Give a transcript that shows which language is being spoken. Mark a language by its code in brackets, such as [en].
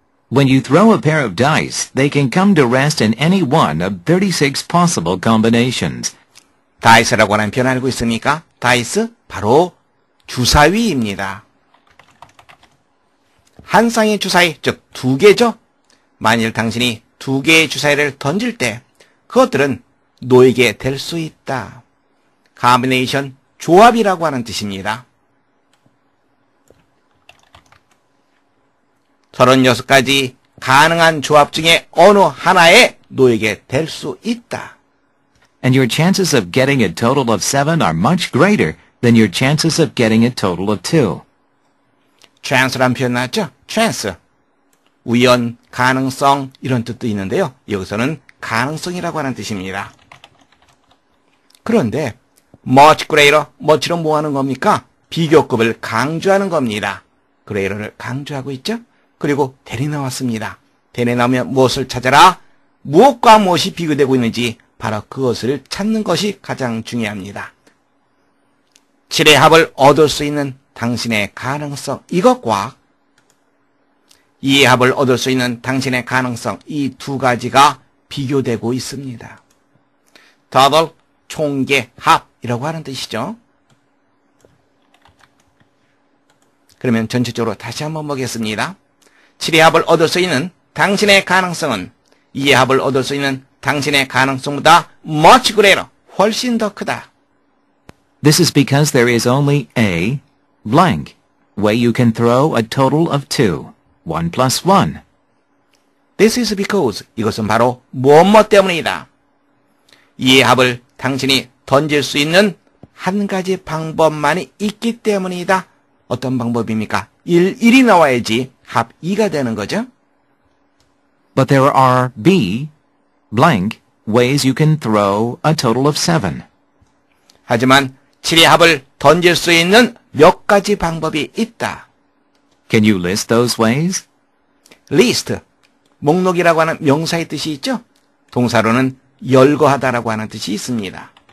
[en] When you throw a pair of dice, they can come to rest in any one of 36 possible combinations. [ko] 다이스라고 하는 표현 알고 있습니까? 다이스 바로 주사위입니다. 한 쌍의 주사위, 즉 두 개죠? 만일 당신이 두 개의 주사위를 던질 때 그것들은 놓이게 될 수 있다. 카미네이션, 조합이라고 하는 뜻입니다. 36가지 가능한 조합 중에 어느 하나에 놓이게 될 수 있다. [en] And your chances of getting a total of 7 are much greater than your chances of getting a total of 2. [ko] Chance란 표현 나왔죠? [en] Chance. [ko] 우연, 가능성 이런 뜻도 있는데요. 여기서는 가능성이라고 하는 뜻입니다. 그런데 [en] much greater, [ko] much는 뭐 하는 겁니까? 비교급을 강조하는 겁니다. greater를 강조하고 있죠? 그리고 that이 나왔습니다. that에 나오면 무엇을 찾아라? 무엇과 무엇이 비교되고 있는지 바로 그것을 찾는 것이 가장 중요합니다. 7의 합을 얻을 수 있는 당신의 가능성 이것과 2의 합을 얻을 수 있는 당신의 가능성 이 두 가지가 비교되고 있습니다. total 총계 합이라고 하는 뜻이죠. 그러면 전체적으로 다시 한번 보겠습니다. 7의 합을 얻을 수 있는 당신의 가능성은 2의 합을 얻을 수 있는 당신의 가능성보다 [en] much greater, [ko] 훨씬 더 크다. [en] This is because there is only a blank way you can throw a total of 2, 1 plus 1. This is because [ko] 이것은 바로 무엇 때문이다. 2의 합을 당신이 던질 수 있는 한 가지 방법만이 있기 때문이다. 어떤 방법입니까? 1, 1이 나와야지 합 2가 되는 거죠. [en] But there are b blank ways you can throw a total of 7. [ko] 하지만 7의 합을 던질 수 있는 몇 가지 방법이 있다. [en] Can you list those ways? [ko] List, 목록이라고 하는 명사의 뜻이 있죠. 동사로는 열거하다라고 하는 뜻이 있습니다.